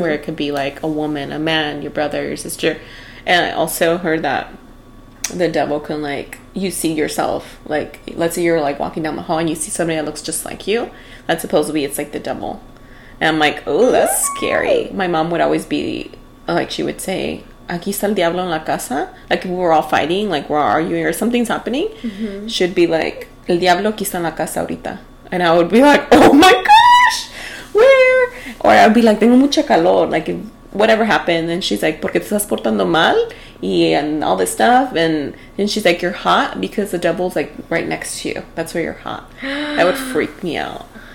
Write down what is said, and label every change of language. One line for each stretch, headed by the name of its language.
English: where it could be, a woman, a man, your brother, your sister. And I also heard that the devil can, you see yourself. Let's say you're, walking down the hall and you see somebody that looks just like you. That's supposed to be, it's, the devil. And I'm like, oh, that's scary. My mom would always be, she would say,
Spanish: aquí está el diablo en la casa.
English: Like, if we were all fighting, where are you? Or something's happening. Mm-hmm. She'd be like,
Spanish: el diablo aquí está en la casa ahorita.
English: And I would be like, oh my gosh, where? Or I'd be like,
Spanish: tengo mucha calor,
English: whatever happened, and she's like,
Spanish: porque te estás portando mal,
English: and all this stuff, and she's like, you're hot, because the devil's, right next to you, that's where you're hot, that would freak me out.